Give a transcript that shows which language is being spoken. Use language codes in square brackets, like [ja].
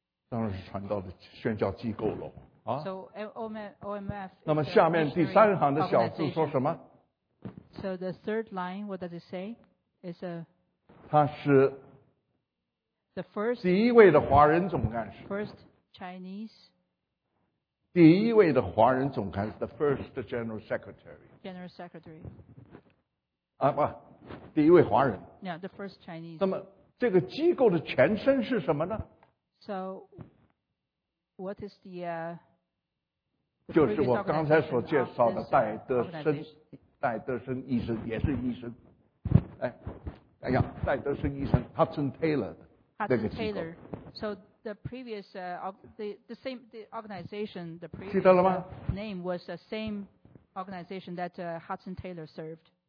[zh] 当然是传道的宣教机构了啊。 [en] So OMF. [zh] 那么下面第三行的小字说什么 [en] ？So the third line, what does it say? It's a. [zh] 他是。 [en] The first. [zh] 第一位的华人总干事。 [en] First Chinese. [zh] 第一位的华人总干事 ， [en] the first general secretary. General secretary. [zh] 啊不。第一位华人。 [en] Yeah, the first Chinese. [zh] 那么这个机构的前身是什么呢 [en] ？So, what is the? [zh] 就是我刚才所介绍的戴德生，戴德生医生也是医生。哎呀，戴德生医生 Hudson Taylor 的这个机构。 [en] So the previous the same the organization the previous [zh] 记得了吗 [en] name was the same organization that Hudson Taylor served.